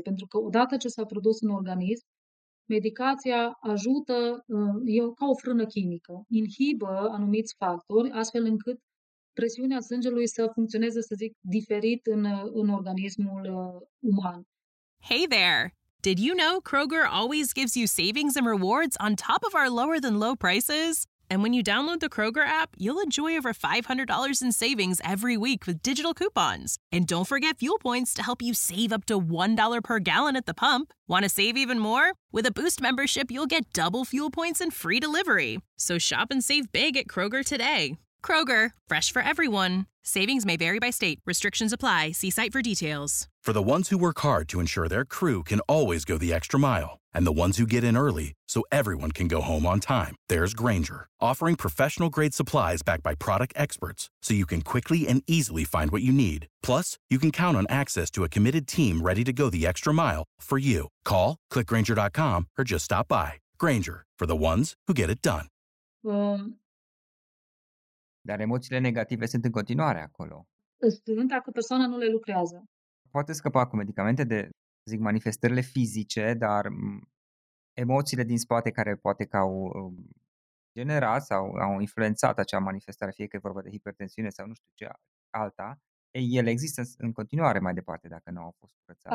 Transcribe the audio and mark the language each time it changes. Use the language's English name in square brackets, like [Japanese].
[Romanian] Pentru că odată ce s-a produs în organism, medicația ajută, e ca o frână chimică, inhibă anumiți factori, astfel încât presiunea sângelui să funcționeze, să zic, diferit în organismul uman. [English] Hey there! Did you know Kroger always gives you savings and rewards on top of our lower than low prices? And when you download the Kroger app, you'll enjoy over $500 in savings every week with digital coupons. And don't forget fuel points to help you save up to $1 per gallon at the pump. Want to save even more? With a Boost membership, you'll get double fuel points and free delivery. So shop and save big at Kroger today. Kroger, fresh for everyone. Savings may vary by state. Restrictions apply. See site for details. For the ones who work hard to ensure their crew can always go the extra mile, and the ones who get in early so everyone can go home on time, there's Grainger, offering professional-grade supplies backed by product experts so you can quickly and easily find what you need. Plus, you can count on access to a committed team ready to go the extra mile for you. Call, click Grainger.com, or just stop by. Grainger, for the ones who get it done. [Romanian] Dar emoțiile negative sunt în continuare acolo. Sunt dacă persoana nu le lucrează. Poate scăpa cu medicamente de, zic, manifestările fizice, dar emoțiile din spate care poate că au generat sau au influențat acea manifestare, fie că e vorba de hipertensiune sau nu știu ce alta, ele există în continuare mai departe dacă nu au fost curățate.